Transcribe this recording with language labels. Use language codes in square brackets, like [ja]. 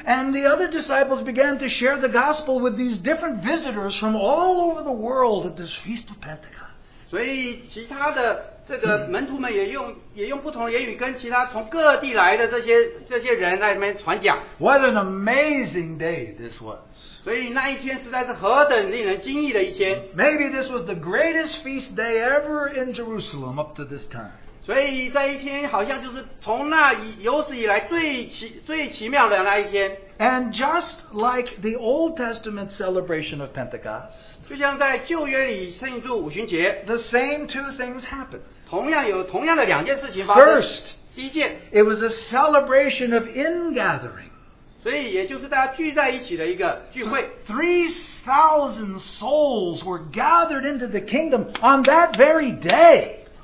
[en] And the other disciples began to share the gospel with these different visitors from all over the world at this feast of Pentecost. [zh] 所以其他的这个门徒们也用不同的言语跟其他从各地来的这些人在那边传讲。 [en] What an amazing day this was. [zh] 所以那一天实在是何等令人惊异的一天。 [en] Maybe this was the greatest feast day ever in Jerusalem up to this time. [zh] 所以在一天好像就是从那有史以来最奇妙的那一天。 [en] And just like the Old Testament celebration of Pentecost, [zh] 就像在旧约里庆祝五旬节, [en] the same two things happened. [zh] 同样有同样的两件事情发生。 [en] First, [zh] 第一件, [en] it was a celebration of ingathering. [zh] 所以也就是大家聚在一起的一个聚会。 [en] 3,000 souls were gathered into the kingdom on that very day.